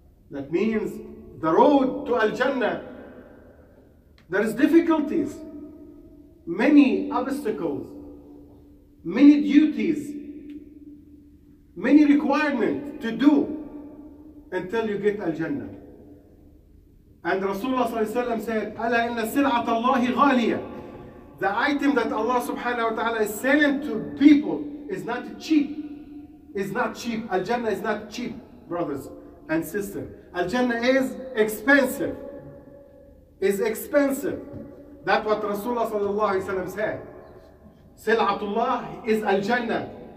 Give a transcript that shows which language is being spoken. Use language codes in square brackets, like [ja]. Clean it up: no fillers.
[en] That means the road to Al-Jannah, there is difficulties, many obstacles, many duties, many requirements to do until you get Al-Jannah. And Rasulullah ﷺ said, [ar] أَلَا إِنَّ سِلْعَةَ اللَّهِ غَالِيَةً. [en] The item that Allah subhanahu wa ta'ala is selling to people is not cheap. It's not cheap. Al-Jannah is not cheap, brothers and sisters. Al-Jannah is expensive. It's expensive. That's what Rasulullah sallallahu alayhi wa sallam said. Sil'atullah is Al-Jannah.